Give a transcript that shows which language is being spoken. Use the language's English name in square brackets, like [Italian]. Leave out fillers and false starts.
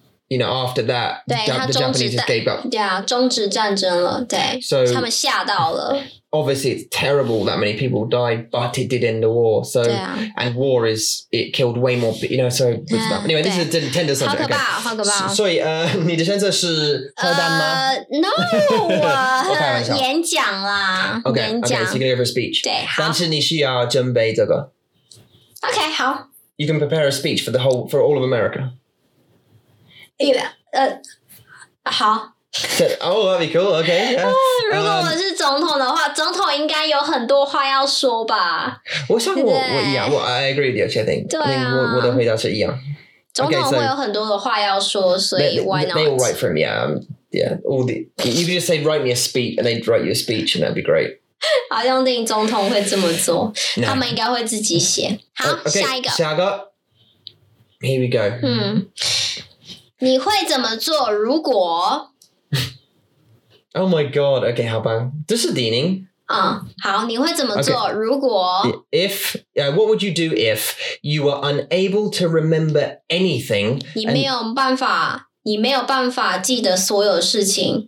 [English] You know, after that, the Japanese just gave up. [Chinese] Yeah, 终止战争了, so, [English] obviously, it's terrible that many people died, but it did end the war. So, and war is, it killed way more, you know, so, anyway, this is a tender subject. [Chinese] 好可怕，好可怕。所以，你的先生是核弹吗？ No, 演讲啦。 [English] Okay, so you're going to go for a speech. [Chinese] 对，好。但是你需要准备这个。 Okay, 好。 [English] You can prepare a speech for the whole, for all of America. [Chinese] 好。 [English] Oh, that'd be cool. Okay. Yeah. [Chinese] 如果我是总统的话， 总统应该有很多话要说吧。我想我一样，我 [English] I agree with you, actually, I think. [Chinese] 对啊，我的回答是一样。总统会有很多的话要说， [English] why not? They will write for me. You can just say, write me a speech, and they'd write you a speech, and that'd be great. [Chinese] 好像总统会这么做。No. 他们应该会自己写。好，下一个。下一个。 [English] Here we go. [Chinese] 你会怎么做如果？ [English] Oh my god, okay, how about? This is Deaning. [Chinese] 好，你会怎么做如果？ [English] If, what would you do if you were unable to remember anything? [Chinese] 你没有办法记得所有事情。